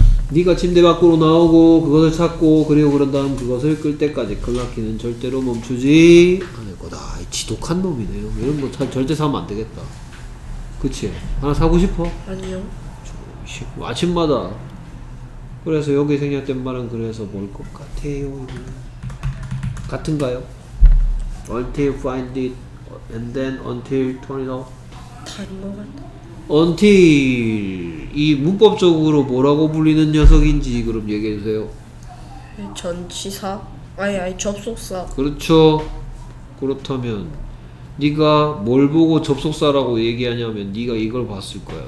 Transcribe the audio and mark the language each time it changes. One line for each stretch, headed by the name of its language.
Korean: 네가 침대 밖으로 나오고 그것을 찾고 그리고 그런 다음 그것을 끌 때까지 클라키는 절대로 멈추지 않을 거다. 지독한 놈이네요. 이런 거 절대 사면 안 되겠다. 그치? 하나 사고 싶어? 아니요. 아침마다. 그래서 여기 생략된 말은 그래서 뭘 것 같아요? 같은가요?
English: Until find it and then until turn it off.
Korean: 다른 거 같다. Until 이 문법적으로 뭐라고 불리는 녀석인지 그럼 얘기해 주세요. 전치사? 아니 접속사. 그렇죠. 그렇다면 네가 뭘 보고 접속사라고 얘기하냐면 네가 이걸 봤을 거야.